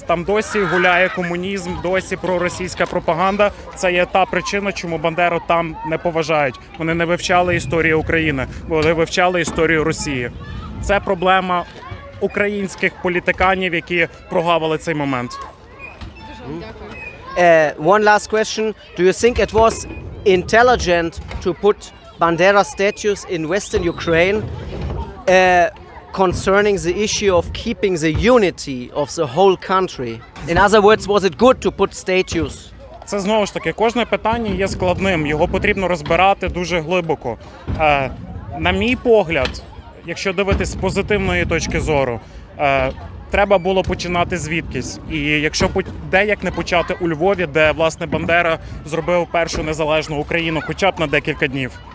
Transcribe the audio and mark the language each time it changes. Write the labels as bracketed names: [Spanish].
[Ukrainian] Там досі гуляє комунізм, досі проросійська пропаганда. Це є та причина, чому Бандеру там не поважають. Вони не вивчали історію України, вони вивчали історію Росії. Це проблема українських політиканів, які прогавили цей момент. Дуже дякую. [English] One last question. Do you think it was intelligent to put Bandera statues in Western Ukraine concerning the issue of keeping the unity of the whole country? In other words, was it good to put statues? [Ukrainian] Це знову ж таки, кожне питання є складним, його потрібно розбирати дуже глибоко. На мій погляд, якщо дивитись з позитивної точки зору, треба було починати звідкись. І якщо деяк не почати у Львові, де, власне, Бандера зробив першу незалежну Україну хоча б на декілька днів.